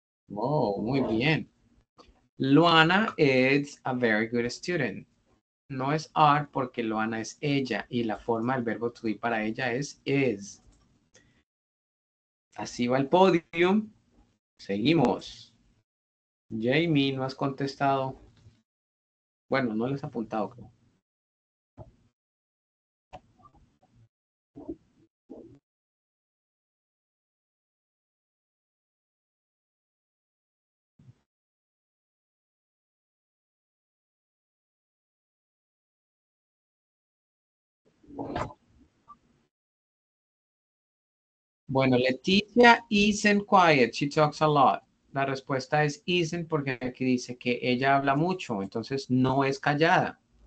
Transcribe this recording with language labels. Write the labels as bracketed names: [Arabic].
[English] Oh, [Spanish] muy bien. [English] Luana is a very good student. [Spanish] No es are porque Luana es ella y la forma del verbo to be para ella es is. Así va el podium. Seguimos. Jamie, no has contestado. Bueno, no les he apuntado, creo. [English] Bueno, Leticia isn't quiet, she talks a lot. [Spanish] La respuesta es isn't porque aquí dice que ella habla mucho, entonces no es callada.